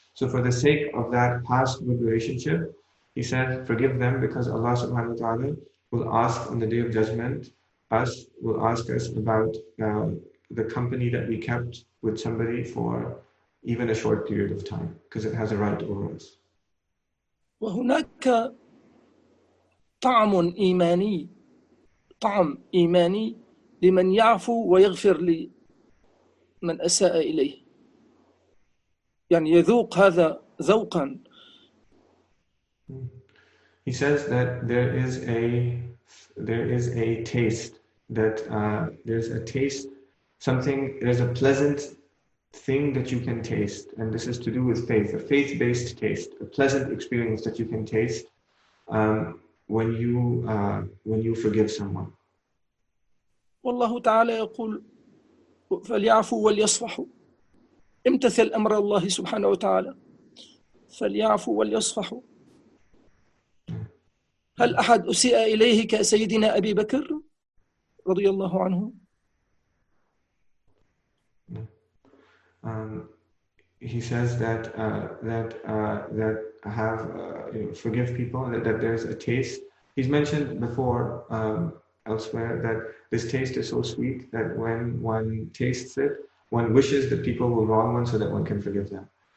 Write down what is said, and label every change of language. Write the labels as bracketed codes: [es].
[en] So for the sake of that past good relationship, he said, forgive them, because Allah subhanahu wa ta'ala will ask on the Day of Judgment, will ask us about the company that we kept with somebody for even a short period of time, because it has a right over us. [ar] وهناك طعم إيماني، طعم إيماني لمن يعفو ويغفر لمن أساء إليه. يعني يذوق هذا ذوقا. [en] He says that there is a taste, that there's a taste, something, there's a pleasant thing that you can taste, and this is to do with faith, a faith-based taste, a pleasant experience that you can taste when you forgive someone. [ar] والله تعالى يقول فليعفو وليصفح امتثل أمر الله سبحانه وتعالى فليعفو وليصفح. هل أحد أسيء إليه كسيدنا أبي بكر رضي الله عنه؟ [en] He says that forgive people, that there's a taste. He's mentioned before elsewhere that this taste is so sweet that when one tastes it, one wishes that people will wrong one so that one can forgive them.